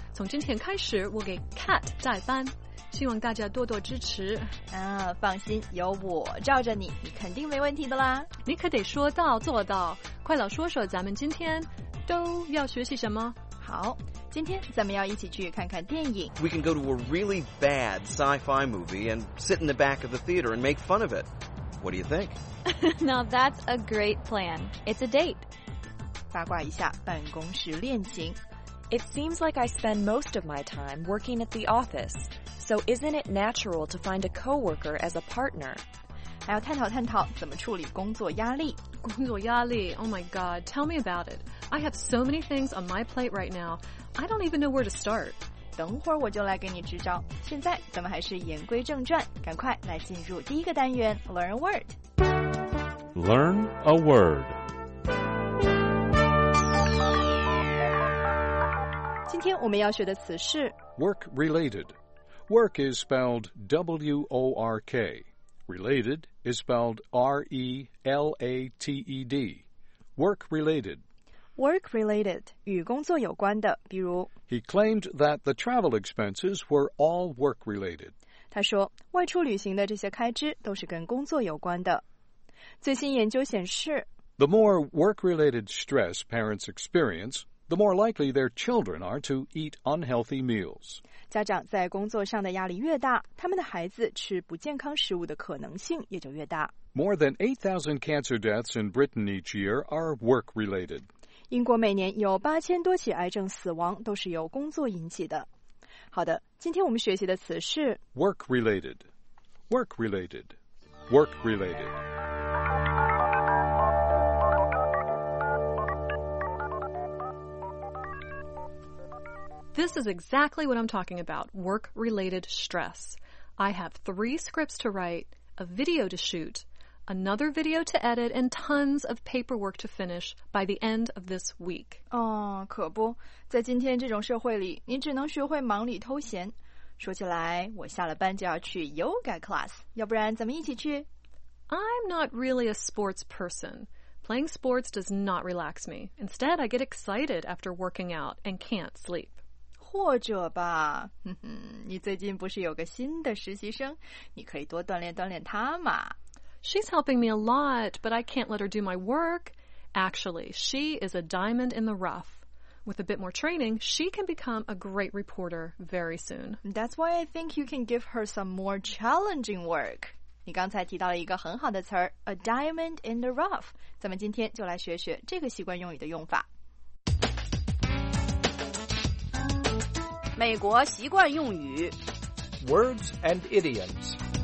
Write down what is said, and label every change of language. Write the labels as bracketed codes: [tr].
[zh] 从今天开始，我给 Cat 带班，希望大家多多支持。啊，放心，有我罩着你，你肯定没问题的啦。你可得说到做到，快老说说咱们今天都要学习什么。好，今天咱们要一起去看看电影。 [en] We can go to a really bad sci-fi movie and sit in the back of the theater and make fun of it. What do you think? Now that's a great plan. It's a date. [zh] 八卦一下办公室恋情。 [en] It seems like I spend most of my time working at the office, so isn't it natural to find a coworker as a partner? [zh] 还要探讨探讨怎么处理工作压力。工作压力 [en] Oh my god, tell me about it. I have so many things on my plate right now. I don't even know where to start. [zh] 等会儿我就来给你支招。现在咱们还是言归正传，赶快来进入第一个单元 [en] Learn a word. Learn a word. [zh] 今天我们要学的词是 [en] Work related. Work is spelled W-O-R-K. Related is spelled R-E-L-A-T-E-D. Work related. [zh] Work related, 与工作有关的，比如 [en] He claimed that the travel expenses were all work related. [zh] 他说外出旅行的这些开支都是跟工作有关的。最新研究显示 [en] The more work related stress parents experience, the more likely their children are to eat unhealthy meals. [zh] 家长在工作上的压力越大，他们的孩子吃不健康食物的可能性也就越大。 [en] More than 8,000 cancer deaths in Britain each year are work-related. [zh] 英国每年有8000多起癌症死亡都是由工作引起的。好的，今天我们学习的词是 [en] work-related, work-related, work-related. This is exactly what I'm talking about, work-related stress. I have 3 scripts to write, a video to shoot, another video to edit, and tons of paperwork to finish by the end of this week. [zh] 哦，可不，在今天这种社会里，你只能学会忙里偷闲。说起来，我下了班就要去 yoga class, 要不然咱们一起去。 [en] I'm not really a sports person. Playing sports does not relax me. Instead, I get excited after working out and can't sleep. 或者吧，你最近不是有个新的实习生？你可以多锻炼锻炼她嘛。 She's helping me a lot, but I can't let her do my work. Actually, she is a diamond in the rough. With a bit more training, she can become a great reporter very soon. That's why I think you can give her some more challenging work. [zh] 你刚才提到了一个很好的词儿 ,a diamond in the rough. 咱们今天就来学学这个习惯用语的用法。美国习惯用语 [en] ,words and idioms.